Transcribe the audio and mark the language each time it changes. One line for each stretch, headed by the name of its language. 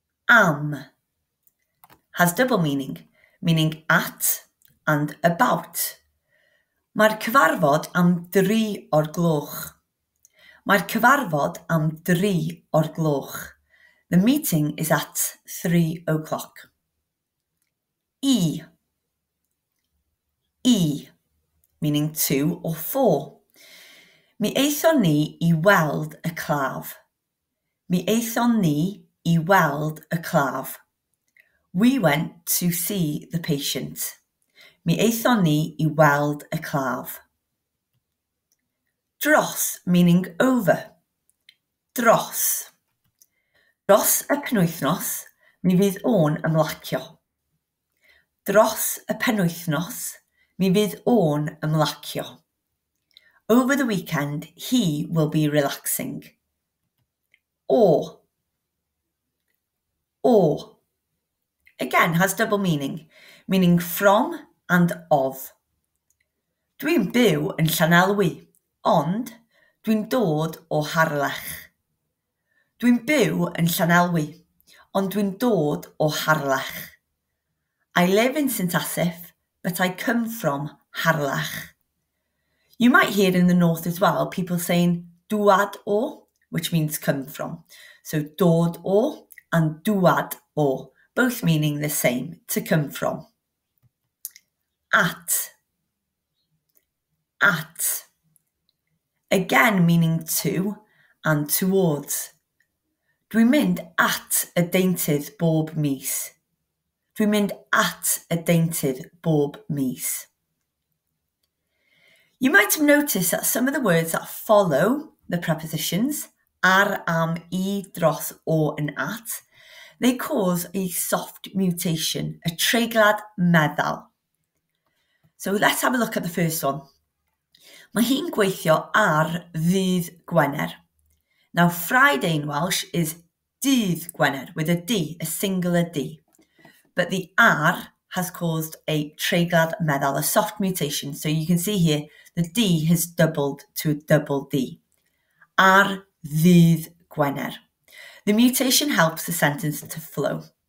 English: Am has double meaning, meaning at and about.
Welsh: Mae'r cyfarfod am dri o'r gloch. Mae'r cyfarfod am dri o'r gloch.
English: The meeting is at 3 o'clock.
Welsh: I. I.
English: Meaning two or four.
Welsh: Mi eithon ni I weld y claf. Mi eithon ni I weld y claf.
English: We went to see the patient.
Welsh: Mi eithon ni I weld y claf.
English: Dros, meaning over. Dros.
Welsh: Dros y penwythnos, mi fydd o'n ymlacio. Dros y penwythnos, mi fydd o'n ymlacio.
English: Over the weekend, he will be relaxing. O. O. Again, has double meaning, meaning from and of.
Welsh: Dwi'n byw yn Llanelwy, ond dwi'n dod o Harlech. Dwi'n byw yn Llanelwy, ond dwi'n dod o Harlech.
English: I live in St Asaph, but I come from Harlech. You might hear in the north as well people saying dŵad o, which means come from. So dod o and dŵad o, both meaning the same, to come from. At. At. Again meaning to and towards.
Welsh: Dwi'n mynd at y deintydd bob mis. Dwi'n mynd at y deintydd bob mis.
English: You might have noticed that some of the words that follow the prepositions, ar, am, I, dros, o, and at, they cause a soft mutation, a treiglad meddal. So let's have a look at the first one.
Welsh: Mae hi'n gweithio ar ddydd Gwener.
English: Now, Friday in Welsh is dydd Gwener, with a D, a singular D. But the R has caused a treiglad meddal, a soft mutation. So you can see here, the D has doubled to a double D.
Welsh: Ar ddydd Gwener.
English: The mutation helps the sentence to flow.